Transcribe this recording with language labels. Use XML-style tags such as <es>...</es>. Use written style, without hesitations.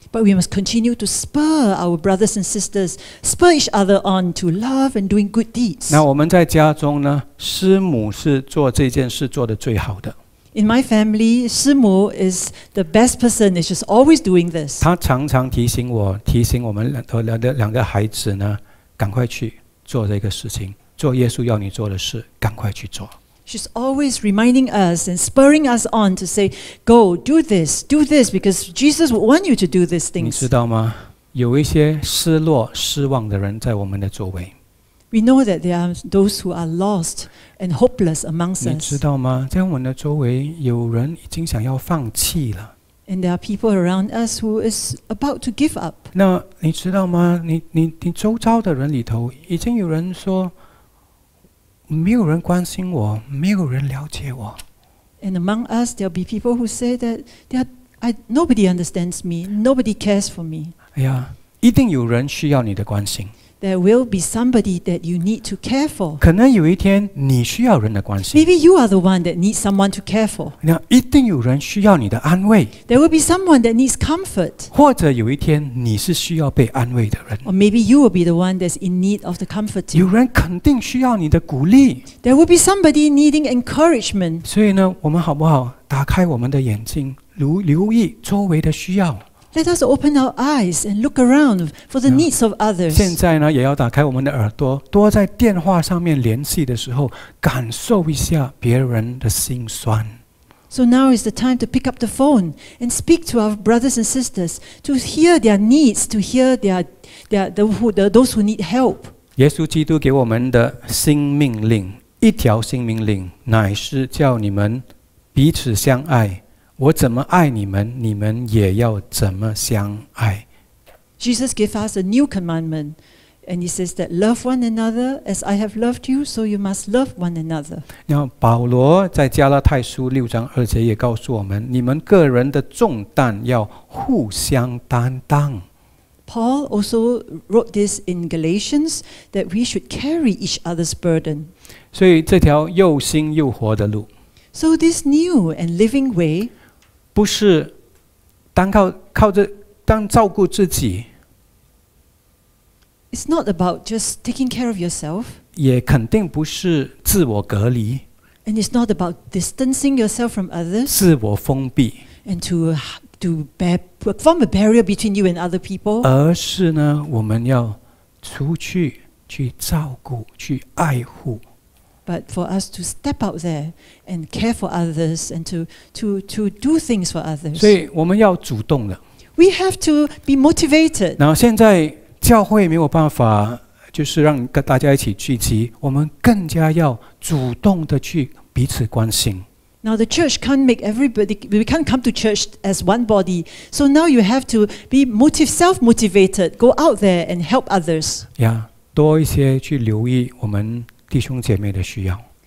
<en>But we must continue to spur our brothers and sisters, spur each other on to love and doing good deeds.</en> <zh>那我们在家中呢，师母是做这件事做得最好的。</zh> <en>In my family, 师母 is the best person. She's always doing this.</en> <zh>她常常提醒我们两个孩子呢，赶快去。做这个事情，做耶稣要你做的事，赶快去做。</zh> <en>She's always reminding us and spurring us on to say, "Go, do this, because Jesus would want you to do these things."</en> <zh>你知道吗？有一些失落、失望的人在我们的周围。</zh> <en>We know that there are those who are lost and hopeless amongst us.</en> <zh>你知道吗？在我们的周围，有人已经想要放弃了。</zh> <en>And there are people around us who is about to give up.</en> <zh>那你知道吗？你周遭的人里头已经有人说，没有人关心我，没有人了解我。</zh> <en>And among us, there'll be people who say that nobody understands me, nobody cares for me.</en> <zh>哎呀，一定有人需要你的关心。</zh> <en>There will be somebody that you need to care for.</en> <zh>可能有一天你需要人的关心。</zh> <en>Maybe you are the one that needs someone to care for.</en> <zh>那一定有人需要你的安慰。</zh> <en>There will be someone that needs comfort.</en> <zh>或者有一天你是需要被安慰的人。</zh> <en>Or maybe you will be the one that's in need of the comforting.</en> <zh>有人肯定需要你的鼓励。</zh> <en>There will be somebody needing encouragement.</en> <zh>所以呢，我们好不好打开我们的眼睛，留意周围的需要。</zh> <en>Let us open our eyes and look around for the needs of others.</en> <zh>现在呢，也要打开我们的耳朵，多在电话上面联系的时候，感受一下别人的心酸。</zh> <en>So now is the time to pick up the phone and speak to our brothers and sisters to hear their needs, to hear those who need help.</en> <zh>耶稣基督给我们的新命令，一条新命令，乃是叫你们彼此相爱。我怎么爱你们，你们也要怎么相爱。</zh> <en>Jesus gave us a new commandment, and he says that love one another as I have loved you, so you must love one another.</en> <zh>那保罗在加拉太书六章二节也告诉我们，你们个人的重担要互相担当。</zh> <en>Paul also wrote this in Galatians that we should carry each other's burden.</en> <zh>所以这条又新又活的路。</zh> <en>So this new and living way,</en> <zh>不是单靠着照顾自己。</zh> <en>It's not about just taking care of yourself.</en> <zh>也肯定不是自我隔离。</zh> <en>And it's not about distancing yourself from others.</en> <zh>自我封闭。</zh> <en>And to form a barrier between you and other people.</en> <zh>而是呢，我们要出去去照顾，去爱护。</zh> <en>But for us to step out there and care for others and to do things for others.</en> <zh>所以我们要主动的。</zh> <en>We have to be motivated.</en> <zh>然后现在教会没有办法就是让大家一起聚集，我们更加要主动的去彼此关心。</zh> <en>Now the church can't make everybody, we can't come to church as one body. So now you have to be self-motivated, go out there and help others.</en> <zh>呀，多一些去留意我们弟兄姐妹的需要。</zh>